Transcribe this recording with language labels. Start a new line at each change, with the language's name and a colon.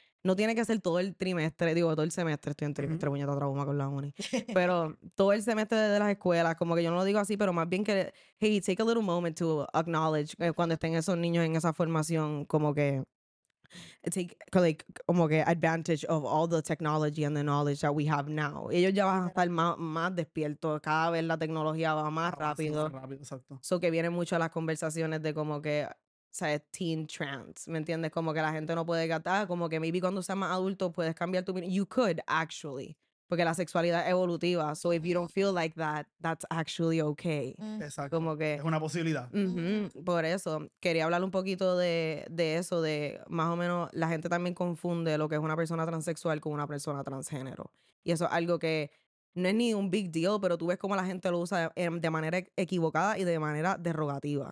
Spanish: no tiene que ser todo el semestre, estoy en trimestre, mm-hmm, puñeta, trauma con la uni, pero todo el semestre de las escuelas, como que yo no lo digo así, pero más bien que, hey,
English: take a little moment to acknowledge
Spanish: cuando estén esos niños en esa formación, como que, take, like, como que
English: advantage of all the technology and the knowledge that we have now.
Spanish: Ellos ya van a estar más despiertos, cada vez la tecnología va más rápido. Más rápido, exacto. So que vienen mucho a las conversaciones de como que, o sea, es teen trans, ¿me entiendes? Como que la gente no puede gastar, como que maybe cuando seas más adulto puedes cambiar tu opinión.
English: You could, actually,
Spanish: porque la sexualidad es evolutiva.
English: So if you don't feel like that, that's actually okay.
Spanish: Exacto. Como que... Es una posibilidad. Mm-hmm. Por eso, quería hablar un poquito de eso, de más o menos, la gente también confunde lo que es una persona transexual con una persona transgénero. Y eso es algo que no es ni un big deal, pero tú ves cómo la gente lo usa de manera equivocada y de manera derogativa.